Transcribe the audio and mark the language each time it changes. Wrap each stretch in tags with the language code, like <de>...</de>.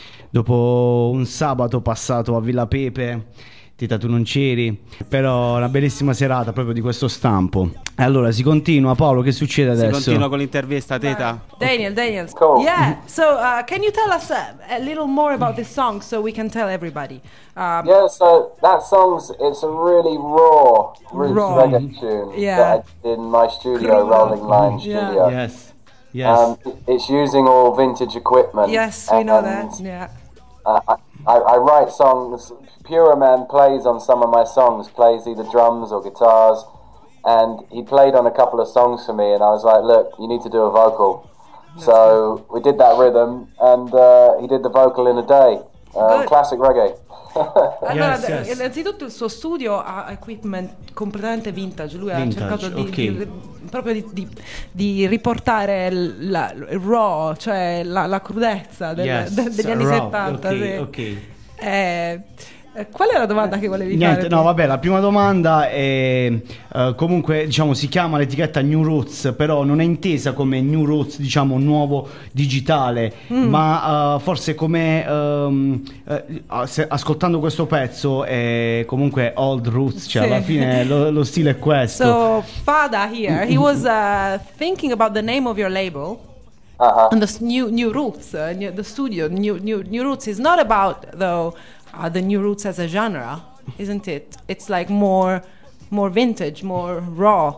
<it>Dopo un sabato passato a Villa Pepe, Tita tu non c'eri, però una bellissima serata proprio di questo stampo. E allora si continua, Paolo, che succede adesso? Si continua con l'intervista, Tita.</it> <en>Daniel. Cool. Yeah, so can you tell us a little more about this song so we can tell everybody? Yeah, so that song's, it's a really raw, roots reggae tune that I did in my studio, Rolling Line Studio. Yes. It's using all vintage equipment. Yes, we know that, I write songs, Pure Man plays on some of my songs, plays either drums or guitars, and he played on a couple of songs for me, and I was like, look, you need to do a vocal. So we did that rhythm, and he did the vocal in a day, classic reggae.</en> <it>Allora, innanzitutto il suo studio ha equipment completamente vintage. Lui vintage, ha cercato di riportare il raw, cioè la crudezza degli anni 70. Qual è la domanda che volevi fare? No, vabbè, la prima domanda è comunque, diciamo, si chiama l'etichetta New Roots, però non è intesa come New Roots, diciamo, nuovo digitale, ma forse come ascoltando questo pezzo è comunque old roots, cioè alla fine lo stile è questo.</it> <en>So Fada here, he was thinking about the name of your label. Uh-huh. And the new roots, the studio new roots is not about though the new roots as a genre, isn't it? It's like more vintage, more raw.</en>